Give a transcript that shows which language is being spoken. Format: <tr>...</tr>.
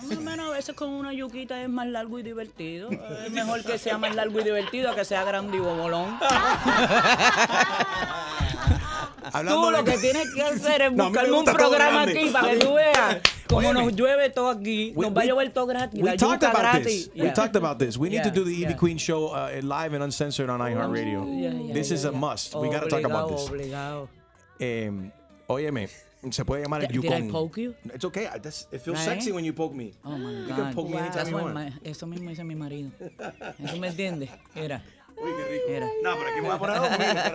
<es>Más o menos, a veces con una yuquita es más largo y divertido. Es mejor que sea más largo y divertido a que sea grande y bobolón. Hablando tú lo que tienes que hacer es buscarme un programa aquí para que tú veas cómo nos llueve todo aquí. Nos va a llover todo gratis.</es> <en>We talked about this. We talked about this. We need to do the Evie Queen show live and uncensored on iHeartRadio. This is a must. We got to talk about this.</en> <es>Obligado. Óyeme, se puede llamar el yucón.</es> <en>Did I poke you? It's okay. It feels sexy when you poke me. Oh, my God. You can poke me anytime you want.</en> <es>Eso mismo dice mi marido. ¿Eso me entiende? Era. Uy, qué rico. No, pero aquí me voy a poner a dormir.</es>